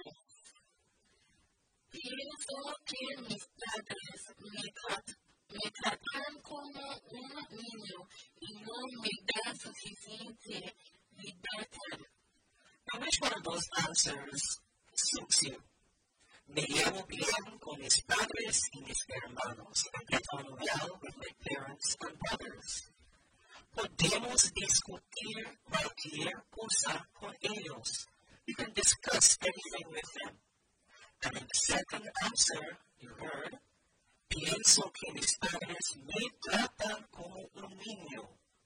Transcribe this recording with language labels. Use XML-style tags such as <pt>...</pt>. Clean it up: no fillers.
<es>Pienso que mis padres me tratan como un niño y no me da suficiente libertad.</es> <en>Now, which one of those answers suits you?</en> <es>Me llevo bien con mis padres y mis hermanos.</es> <en>I get on well with my parents and brothers.</en> <es>Podemos discutir cualquier cosa con ellos.</es> <en>You can discuss anything with them. And in the second answer, you heard,</en> <es>pienso que mis padres me tratan como un niño.</es>